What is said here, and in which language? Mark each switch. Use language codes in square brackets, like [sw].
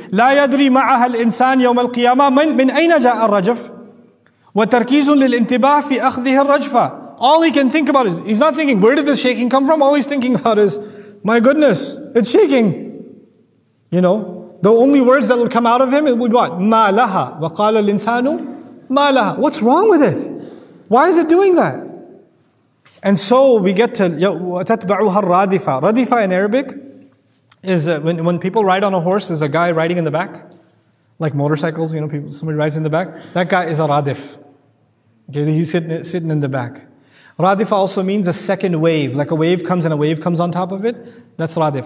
[ar] لَا يَدْرِي مَعَهَا الْإِنسَانِ يَوْمَ الْقِيَامَةِ مِنْ أَيْنَ جَاءَ الرَّجَفِ وَتَرْكِيزٌ لِلْإِنْتِبَاهِ فِي أَخْذِهِ الرَّجْفَةِ [en] All he can think about is, he's not thinking, where did this shaking come from? All he's thinking about is, my goodness, it's shaking. You know? The only words that will come out of him it would what? [ar] مَا لَهَا وَقَالَ الْإِنسَانُ مَا لَهَا [en] What's wrong with it? Why is it doing that? And so we get to [ar] وَتَتْبَعُهَا الرَّادِفَ [en] Radifa in Arabic is when people ride on a horse, there's a guy riding in the back. Like motorcycles, you know, people somebody rides in the back. That guy is a radif. Okay, he's sitting in the back. Radifa also means a second wave, like a wave comes and a wave comes on top of it. That's radif.